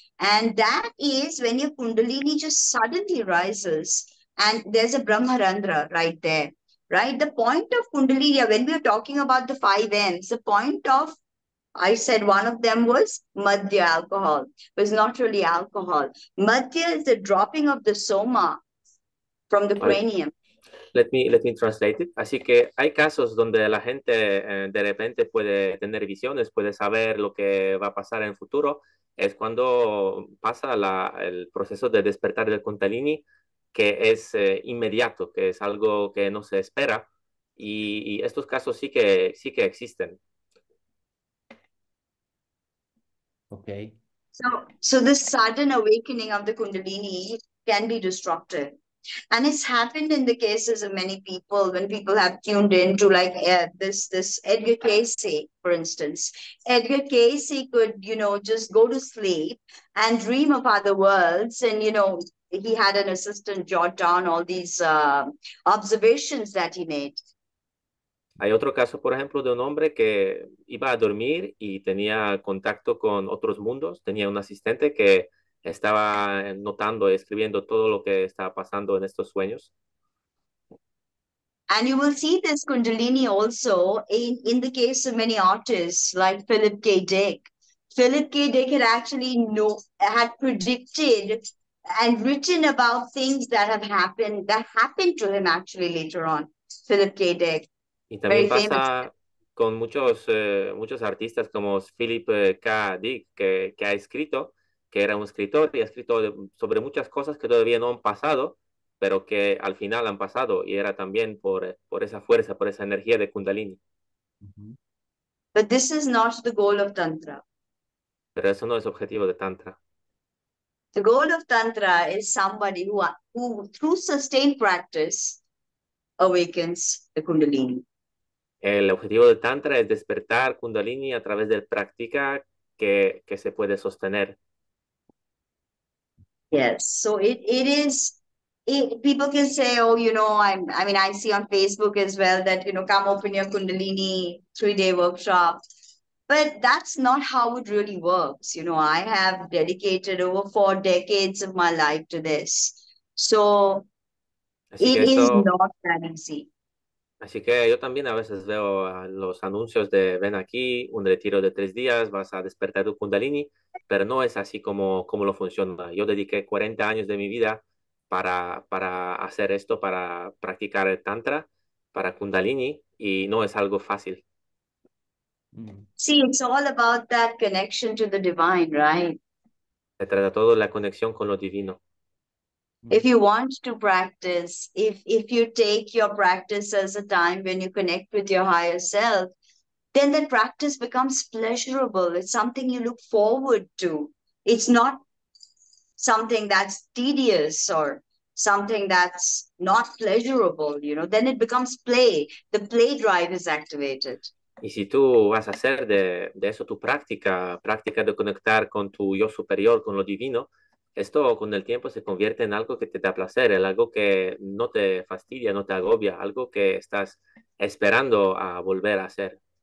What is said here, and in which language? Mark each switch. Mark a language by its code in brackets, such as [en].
[en] And that is when your Kundalini just suddenly rises and there's a Brahmarandra right there. Right, the point of Kundalini, when we are talking about the five M's, the point of, I said one of them was madhya alcohol, but it's not really alcohol. Madhya is the dropping of the soma from the cranium. Let me translate it. [es] Así que hay casos donde la gente de repente puede tener visiones, puede saber lo que va a pasar en el futuro. Es cuando pasa el proceso de despertar del Kundalini, que es inmediato, que es algo que no se espera, y estos casos sí que existen. [en] Okay. So the sudden awakening of the Kundalini can be destructive, and it's happened in the cases of many people when people have tuned into like this Edgar Casey, for instance. Edgar Casey could, you know, just go to sleep and dream of other worlds, and you know, he had an assistant jot down all these observations that he made. [es] Hay otro caso, por ejemplo, de un hombre que iba a dormir y tenía contacto con otros mundos. Tenía un asistente que estaba notando y escribiendo todo lo que estaba pasando en estos sueños. [en] And you will see this Kundalini also in the case of many artists like Philip K. Dick. Philip K. Dick had actually had predicted and written about things that have happened, that happened to him actually later on. Philip K. Dick. [es] Y también pasa con muchos artistas como Philip K. Dick, que ha escrito, que era un escritor y ha escrito sobre muchas cosas que todavía no han pasado, pero que al final han pasado, y era también por esa fuerza, por esa energía de Kundalini. [en] But this is not the goal of Tantra. [es] Pero eso no es objetivo de Tantra. [en] The goal of Tantra is somebody who through sustained practice, awakens the Kundalini. [es] El objetivo de Tantra es despertar Kundalini a través de práctica que se puede sostener. [en] Yes, so it is... people can say, oh, you know, I see on Facebook as well that, you know, come open your Kundalini 3-day workshop. But that's not how it really works. You know, I have dedicated over 4 decades of my life to this. So [es] así [en] it [es] que [en] is [es] eso, [en] not that easy. [es] Así que yo también a veces veo los anuncios de ven aquí, un retiro de 3 días, vas a despertar tu Kundalini, pero no es así como lo funciona. Yo dediqué 40 años de mi vida para hacer esto, para practicar el tantra, para Kundalini, y no es algo fácil. [en] Sí, it's all about that connection to the divine, right? [es] Se trata todo de la conexión con lo divino. [en] If you want to practice, if you take your practice as a time when you connect with your higher self, then that practice becomes pleasurable. It's something you look forward to. It's not something that's tedious or something that's not pleasurable, you know, then it becomes play. The play drive is activated. [es] Y si tú vas a hacer de eso tu práctica de conectar con tu yo superior, con lo divino, esto con el tiempo se convierte en algo que te da placer, en algo que no te fastidia, no te agobia, algo que estás esperando a volver a hacer.